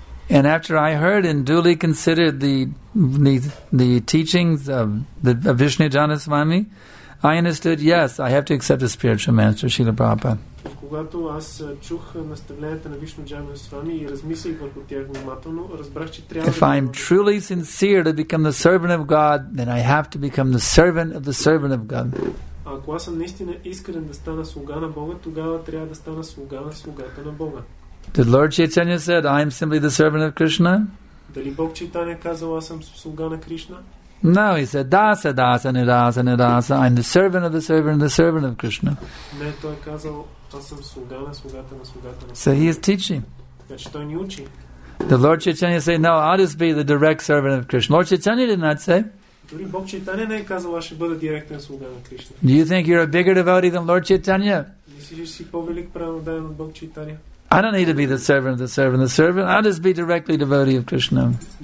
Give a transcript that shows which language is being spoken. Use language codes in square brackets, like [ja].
[en] And after I heard and duly considered the teachings of Vishnu Janaswami, I understood, yes, I have to accept the spiritual master, Srila Prabhupada. [bg] Когато аз чух наставленията на Вишну Джайма Свами и размислих върху тях внимателно, разбрах, че трябва. [en] If I'm truly sincere to become the servant of God, then I have to become the servant of the servant of God. [bg] Ако аз съм наистина искрен да стана слуга на Бога, тогава трябва да стана слуга на слугата на Бога. [en] Did Lord Chaitanya said, I am simply the servant of Krishna? [bg] Дали Бог Чайтанья казал, аз съм слуга на Кришна? [en] No, he said, Dasa, Dasa, Nidasa, Nidasa. I'm the servant of the servant and the servant of Krishna. [bg] Не, той казал, аз съм слуга на слугата на слугата на. [en] So he is teaching. [bg] Значи той ни учи. [en] The Lord Chaitanya said, No, I'll just be the direct servant of Krishna. Lord Chaitanya did not say. [bg] Дори Бог Чайтанья не е казал, аз ще бъда директен слуга на Кришна. [en] Do you think you're a bigger devotee than Lord Chaitanya? [bg] Мислиш ли си по-велик праведен от Бог Чайтанья? [en] I don't need to be the servant of the servant of the servant. I'll just be directly devotee of Krishna.